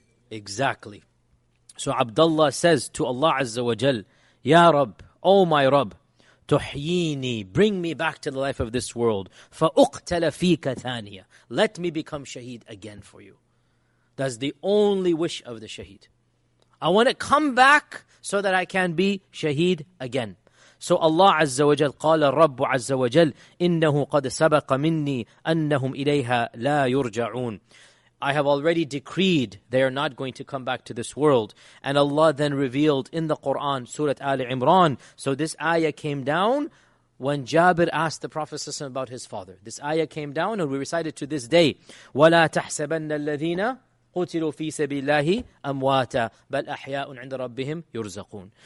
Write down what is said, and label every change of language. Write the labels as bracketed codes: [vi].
[en] Exactly. So Abdullah says to Allah Azza wa Jal, Ya Rabb, O my Rabb, tuhyini, bring me back to the life of this world. [ar] فَأُقْتَلَ فِيكَ ثَانِيَ. [en] Let me become shaheed again for you. That's the only wish of the shaheed. I want to come back so that I can be shaheed again. So Allah Azza wa Jal, [ar] قال الرب عز وجل, إِنَّهُ قَدْ سَبَقَ مِنِّي أَنَّهُمْ إِلَيْهَا لَا يُرْجَعُونَ. [en] I have already decreed they are not going to come back to this world. And Allah then revealed in the Quran, Surah Ali Imran. So this ayah came down when Jabir asked the Prophet ﷺ about his father. This ayah came down and we recite it to this day. [ar] وَلَا تَحْسَبَنَّ الَّذِينَ قُتِلُوا فِي سَبِيلِ اللَّهِ أَمْوَاتًا بَلْ أَحْيَاءٌ عِنْدَ رَبِّهِمْ يُرْزَقُونَ.